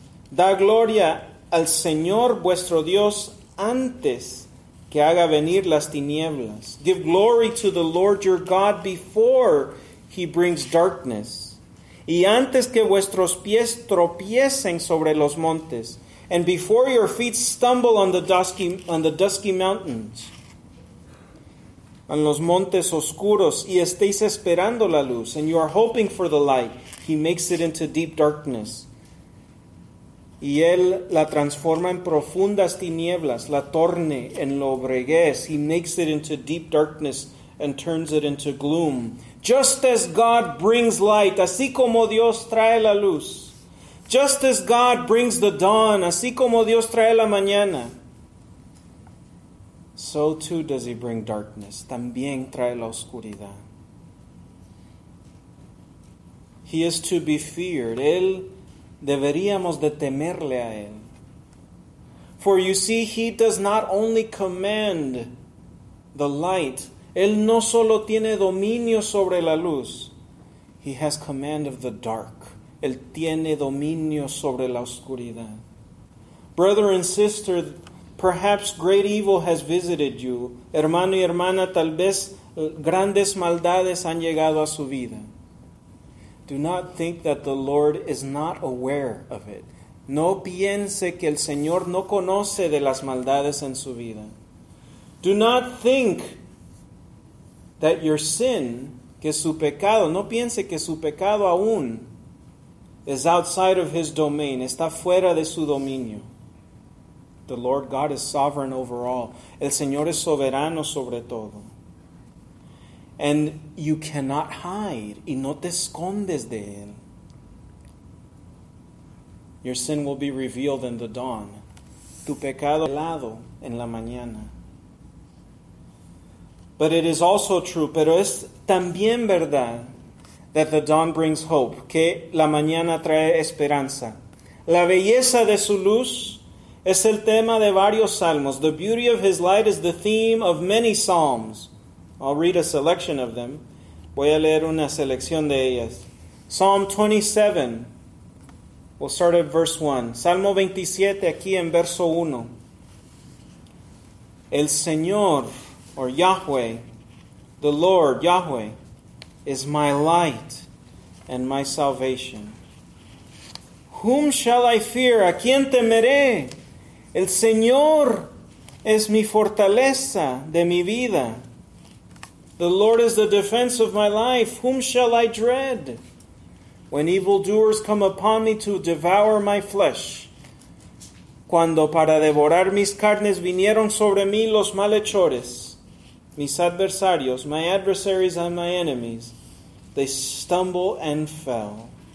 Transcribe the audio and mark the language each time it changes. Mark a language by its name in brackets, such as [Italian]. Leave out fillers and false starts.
[Spanish] Da gloria al Señor vuestro Dios antes que haga venir las tinieblas. [English] Give glory to the Lord your God before he brings darkness. [Spanish] Y antes que vuestros pies tropiecen sobre los montes. [English] And before your feet stumble on the dusky mountains. [Spanish] En los montes oscuros y estéis esperando la luz. [English] And you are hoping for the light. He makes it into deep darkness. [Spanish] Y él la transforma en profundas tinieblas, la torne en lobreguez. [English] He makes it into deep darkness and turns it into gloom. Just as God brings light, [Spanish] así como Dios trae la luz. [English] Just as God brings the dawn, [Spanish] así como Dios trae la mañana. [English] So too does he bring darkness. [Spanish] También trae la oscuridad. [English] He is to be feared. [Spanish] Él deberíamos de temerle a él. [English] For you see, he does not only command the light. [Spanish] Él no solo tiene dominio sobre la luz. [English] He has command of the dark. [Spanish] Él tiene dominio sobre la oscuridad. [English] Brother and sister, perhaps great evil has visited you. [Spanish] Hermano y hermana, tal vez grandes maldades han llegado a su vida. [English] Do not think that the Lord is not aware of it. [Spanish] No piense que el Señor no conoce de las maldades en su vida. [English] Do not think that your sin, [Spanish] que su pecado, no piense que su pecado aún [English] is outside of his domain, [Spanish] está fuera de su dominio. [English] The Lord God is sovereign over all. [Spanish] El Señor es soberano sobre todo. [English] And you cannot hide, [Spanish] y no te escondes de él. [English] Your sin will be revealed in the dawn. [Spanish] Tu pecado revelado en la mañana. [English] But it is also true, [Spanish] pero es también verdad, [English] that the dawn brings hope, [Spanish] que la mañana trae esperanza. La belleza de su luz es el tema de varios salmos. [English] The beauty of his light is the theme of many psalms. I'll read a selection of them. [Spanish] Voy a leer una selección de ellas. [English] Psalm 27. We'll start at verse 1. [Spanish] Salmo 27, aquí en verso 1. [English] El Señor, or Yahweh, the Lord, Yahweh, is my light and my salvation. Whom shall I fear? [Spanish] ¿A quién temeré? El Señor es mi fortaleza de mi vida. [English] The Lord is the defense of my life. Whom shall I dread? When evildoers come upon me to devour my flesh. [Spanish] Cuando para devorar mis carnes vinieron sobre mí los malhechores, mis adversarios, [English] my adversaries and my enemies, they stumble and fell.